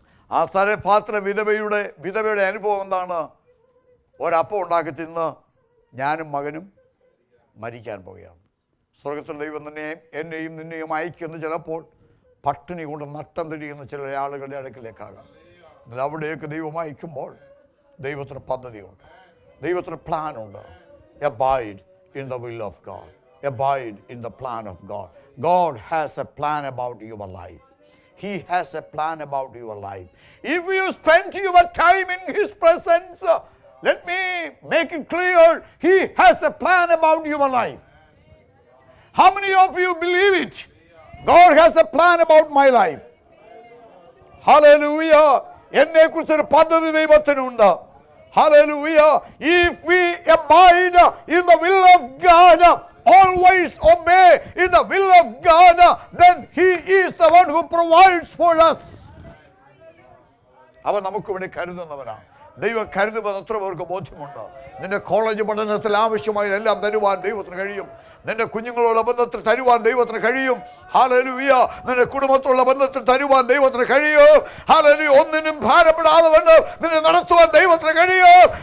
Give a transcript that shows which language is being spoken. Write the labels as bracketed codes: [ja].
[ml] ആ സരേഫാത്തിലെ വിധവയുടെ അനുഭവം എന്താണ്? ഒരപ്പം ഉണ്ടാക്കി തിന്ന് ഞാനും മകനും മരിക്കാൻ പോവുകയാണ്. സ്വർഗത്തിലെ ദൈവം തന്നെയും എന്നെയും നിന്നെയും അയക്കുന്ന ചിലപ്പോൾ പട്ടിണി കൊണ്ട് നട്ടം തിരിയുന്ന ചില ആളുകളുടെ അടുക്കിലേക്കാകാം. എന്നാൽ അവിടെയൊക്കെ ദൈവം അയക്കുമ്പോൾ ദൈവത്തിന് പദ്ധതിയുണ്ട്, ദൈവത്തിന് പ്ലാനുണ്ട്. [en] Abide in the will of God. Abide in the plan of God. God has a plan about your life. He has a plan about your life. If you spend your time in His presence, let me make it clear, He has a plan about your life. How many of you believe it? God has a plan about my life. Hallelujah. [ml] എന്നെ കുറിച്ച് ഒരു പദ്ധതി ദൈവത്തിനുണ്ട്. [en] Hallelujah. If we abide in the will of God, always obey in the will of God, then He is the one who provides for us. [ml] അവൻ നമുക്ക് വേണ്ടി കരുതുന്നവനാണ്. ദൈവം കരുതുമെന്ന് അത്ര പേർക്ക് ബോധ്യമുണ്ട്. നിന്റെ കോളേജ് പഠനത്തിൽ ആവശ്യമായതെല്ലാം തരുവാൻ ദൈവത്തിന് കഴിയും. നിന്റെ കുഞ്ഞുങ്ങളുള്ള ബന്ധത്തിൽ തരുവാൻ ദൈവത്തിന് കഴിയും. ഹല്ലേലൂയ. നിന്റെ കുടുംബത്തുള്ള ബന്ധത്തിൽ തരുവാൻ ദൈവത്തിന് കഴിയും. ഹല്ലേലൂയ. ഒന്നിനും ഭാരപ്പെടാതെ വേണ്ട നിന്നെ നടത്തുവാൻ ദൈവത്തിന് കഴിയും.